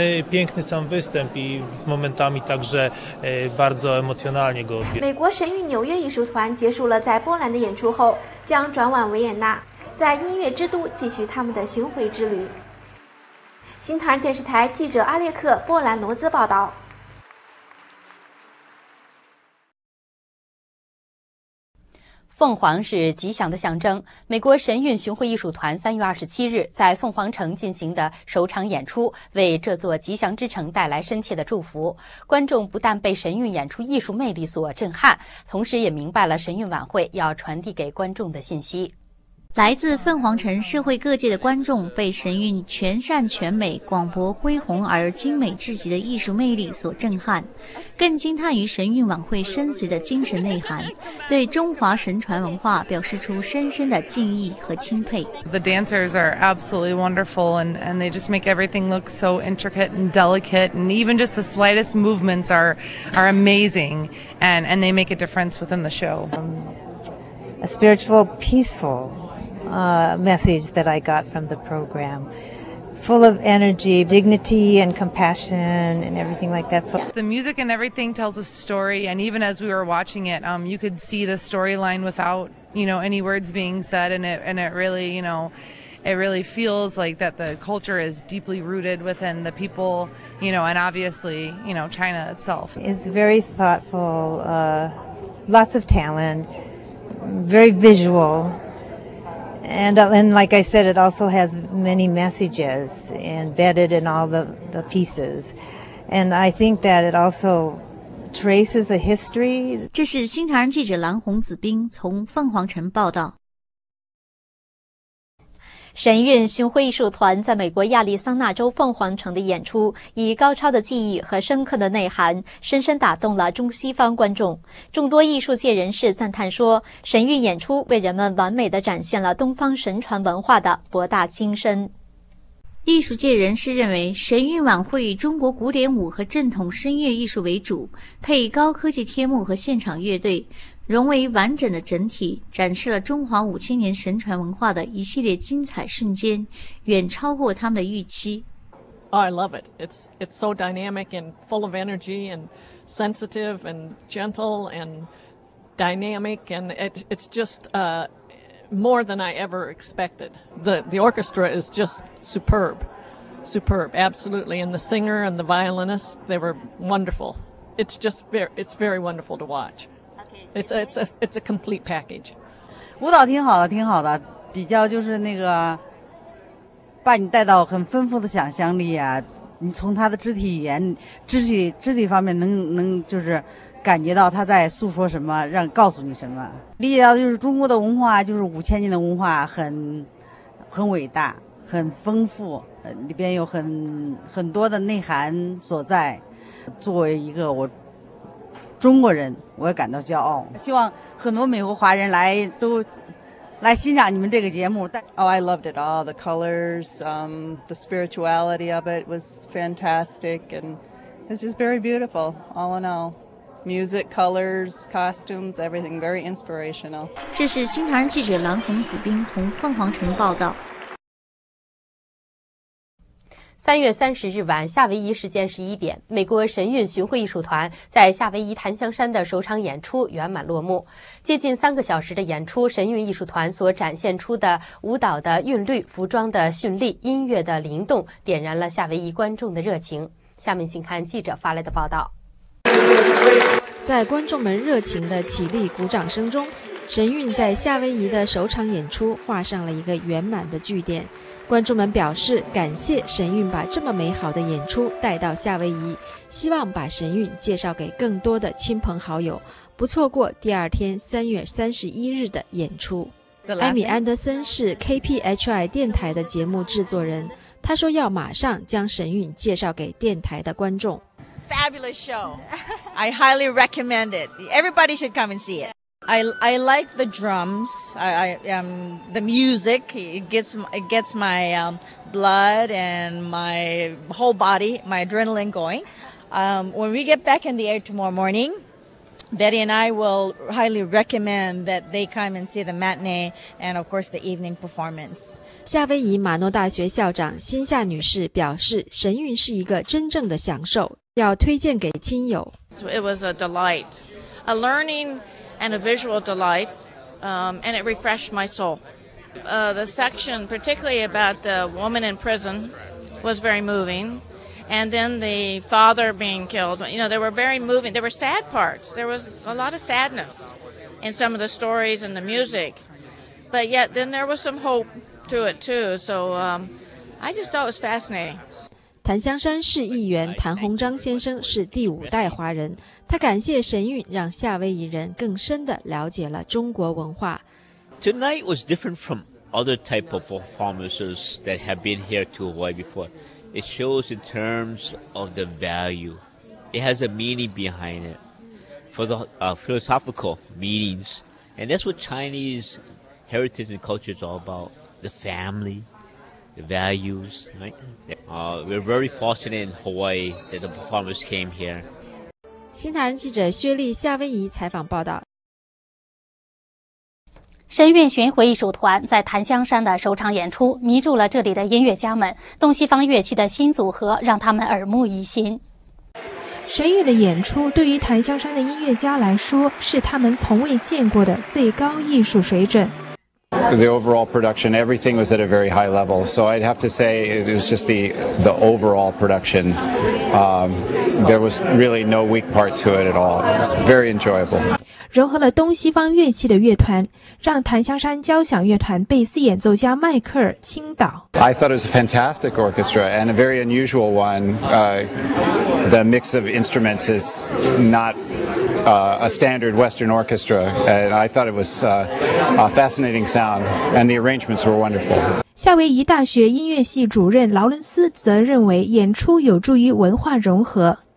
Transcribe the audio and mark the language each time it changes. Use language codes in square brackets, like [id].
[pl] Piękny sam występ i momentami także bardzo emocjonalnie go odbieram. [zh] 美国神韵纽约艺术团结束了在波兰的演出后，将转往维也纳，在音乐之都继续他们的巡回之旅。新唐电视台记者阿列克、波兰罗兹报道。凤凰是吉祥的象征。美国神韵巡回艺术团3月27日在凤凰城进行的首场演出，为这座吉祥之城带来深切的祝福。观众不但被神韵演出艺术魅力所震撼，同时也明白了神韵晚会要传递给观众的信息。来自凤凰城社会各界的观众被神韵全善全美、广博恢宏而精美至极的艺术魅力所震撼，更惊叹于神韵晚会深邃的精神内涵，对中华神传文化表示出深深的敬意和钦佩。 [en] The dancers are absolutely wonderful, and they just make everything look so intricate and delicate, and even just the slightest movements are amazing, and they make a difference within the show. A spiritual, peacefulmessage that I got from the program. Full of energy, dignity and compassion and everything like that. So the music and everything tells a story, and even as we were watching it, you could see the storyline without, you know, any words being said, and it really, you know, it really feels like that the culture is deeply rooted within the people, you know, and obviously, you know, China itself. It's very thoughtful, lots of talent, very visual. And like I said, it also has many messages embedded in all the pieces. And I think that it also traces a history. [zh] 这是新唐人记者蓝红子冰从凤凰城报道。神韵巡回艺术团在美国亚利桑那州凤凰城的演出，以高超的技艺和深刻的内涵，深深打动了中西方观众。众多艺术界人士赞叹说，神韵演出为人们完美地展现了东方神传文化的博大精深。艺术界人士认为，神韵晚会以中国古典舞和正统声乐艺术为主，配以高科技天幕和现场乐队，融为完整的整体，展示了中华五千年神传文化的一系列精彩瞬间，远超过他们的预期。 [en] Oh, I love it. It's so dynamic and full of energy and sensitive and gentle and dynamic and it's just more than I ever expected. The orchestra is just superb, absolutely. And the singer and the violinist, they were wonderful. It's very wonderful to watch. It's a complete package. [zh] 舞蹈挺好的，挺好的，比较就是那个，把你带到很丰富的想象力啊。你从他的肢体语言、肢体方面能就是感觉到他在诉说什么，让告诉你什么。理解到就是中国的文化，就是五千年的文化很伟大，很丰富，里边有很多的内涵所在。作为一个我。中国人，我也感到骄傲。希望很多美国华人都来欣赏你们这个节目。 [en] Oh, I loved it all. The colors, the spirituality of it was fantastic, and it's just very beautiful, all in all. Music, colors, costumes, everything very inspirational. [zh] 这是新唐人记者蓝红子冰从凤凰城报道。 3月30日晚，夏威夷时间11点，美国神韵巡回艺术团在夏威夷檀香山的首场演出圆满落幕。接近三个小时的演出，神韵艺术团所展现出的舞蹈的韵律、服装的绚丽、音乐的灵动，点燃了夏威夷观众的热情。下面请看记者发来的报道。在观众们热情的起立鼓掌声中，神韵在夏威夷的首场演出画上了一个圆满的句点。观众们表示感谢神韵把这么美好的演出带到夏威夷，希望把神韵介绍给更多的亲朋好友，不错过第二天3月31日的演出。艾米·安德森是 KPHI 电台的节目制作人，他说要马上将神韵介绍给电台的观众。 [en] Fabulous show. I highly recommend it. Everybody should come and see it. I like the drums, I the music, it gets my blood and my whole body, my adrenaline going. When we get back in the air tomorrow morning, Betty and I will highly recommend that they come and see the matinee and of course the evening performance. [zh] 夏威夷马诺大学校长辛夏女士表示，神韵是一个真正的享受，要推荐给亲友。 [en] So it was a delight, a learningand a visual delight, and it refreshed my soul. The section, particularly about the woman in prison, was very moving. And then the father being killed, you know, they were very moving. There were sad parts. There was a lot of sadness in some of the stories and the music. But yet, then there was some hope to it, too. So I just thought it was fascinating. [zh] 檀香山市议员谭鸿章先生是第五代华人，他感谢神韵让夏威夷人更深地了解了中国文化。 [en] Tonight was different from other type of performances that have been here to Hawaii before. It shows in terms of the value. It has a meaning behind it for the philosophical meanings, and that's what Chinese heritage and culture is all about: the family. Values, right? We're very fortunate in Hawaii that the performers came here. [zh] 新唐人记者薛丽夏威夷采访报道。神韵巡回艺术团在檀香山的首场演出迷住了这里的音乐家们，东西方乐器的新组合让他们耳目一新。神韵的演出对于檀香山的音乐家来说是他们从未见过的最高艺术水准。 [en] The overall production, everything was at a very high level. So I'd have to say it was just the overall production. There was really no weak part to it at all. It's very enjoyable. [zh] 融合了东西方乐器的乐团，让檀香山交响乐团贝斯演奏家迈克尔倾倒。 [en] I thought it was a fantastic orchestra and a very unusual one. The mix of instruments is not. A standard Western orchestra, and I thought it was a fascinating sound, and the arrangements were wonderful. [zh] 夏威夷大学音乐系主任劳伦斯则认为演出有助于文化融合。